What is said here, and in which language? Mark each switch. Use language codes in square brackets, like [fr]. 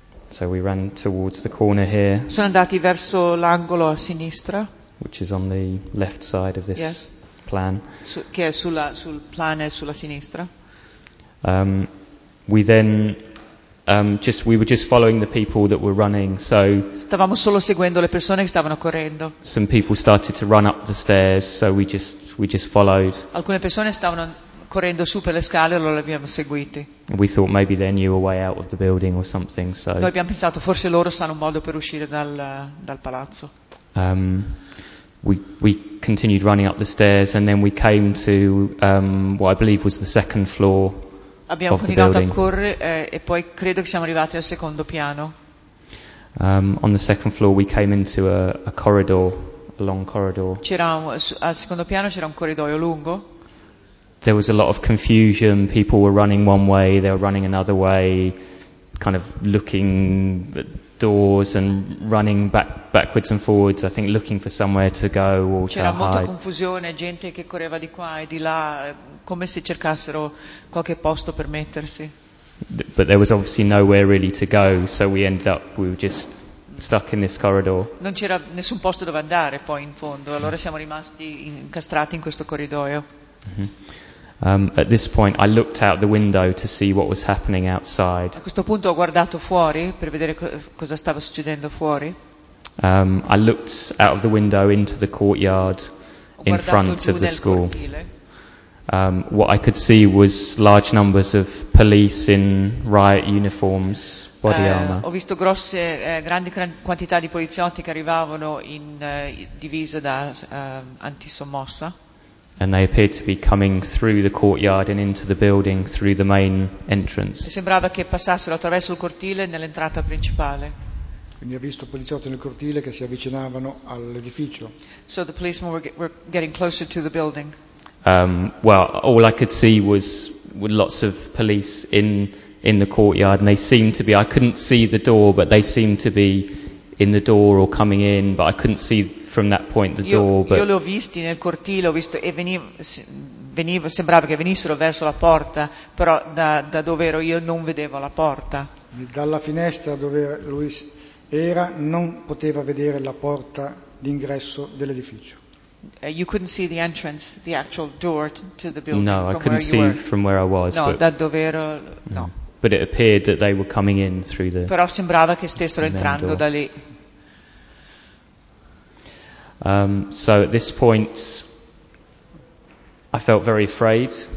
[en] So we ran towards the corner here. [it] Sono andati verso l'angolo a sinistra. [en] Which is on the left side of this plan. [it] Che è sul plan e sulla sinistra. [en] We were just following the people that were running, so [it] stavamo solo seguendo le persone che stavano correndo. [en] Some people started to run up the stairs, so we just followed. [it] Alcune persone stavano correndo su per le scale, allora le abbiamo seguiti. [en] We thought maybe they knew a way out of the building or something, so [it] noi abbiamo pensato forse loro sanno un modo per uscire dal palazzo. [en] We continued running up the stairs and then we came to what I believe was the second floor. [it] Abbiamo continuato a correre e poi credo che siamo arrivati al secondo piano. [en] On the second floor we came into a corridor, a long corridor. [it] Al secondo piano c'era un corridoio lungo. [en] There was a lot of confusion, people were running one way, they were running another way, kind of looking at doors and running backwards and forwards, I think looking for somewhere to go or [it] c'era [en] to [it] molta [en] hide. [it] Confusione, gente che correva di qua e di là, come se cercassero qualche posto per mettersi. [en] But there was obviously nowhere really to go, so we ended up, we were just stuck in this corridor. [it] Non c'era nessun posto dove andare poi in fondo, allora siamo rimasti incastrati in questo corridoio. [en] At this point I looked out the window to see what was happening outside. [it] A questo punto ho guardato fuori per vedere cosa stava succedendo fuori. [en] I looked out of the window into the courtyard in front of the school. [it] Cortile. [en] What I could see was large numbers of police in riot uniforms, body armor. [it] Ho visto grosse, grandi quantità di poliziotti che arrivavano in divisa da antisommossa. [en] And they appeared to be coming through the courtyard and into the building through the main entrance. [it] Sembrava che passassero attraverso il cortile nell'entrata principale. Quindi ha visto poliziotti nel cortile che si avvicinavano all'edificio. [en] So the policemen were getting closer to the building. Well, all I could see was with lots of police in the courtyard, and they seemed to be, I couldn't see the door, but they seemed to be in the door or coming in, but I couldn't see from that point the door. [it] Io li ho visti nel cortile, ho visto, e sembrava che venissero verso la porta, però da dove ero io non vedevo la porta. Dalla finestra dove lui era non poteva vedere la porta d'ingresso dell'edificio. [en] You couldn't see the entrance, the actual door to the building. No, I couldn't see from where I was. [it] No, da dove ero, no. [en] But it appeared that they were coming in through the. [it] Però sembrava che stessero entrando da lì. [en] So at this point, I felt very afraid.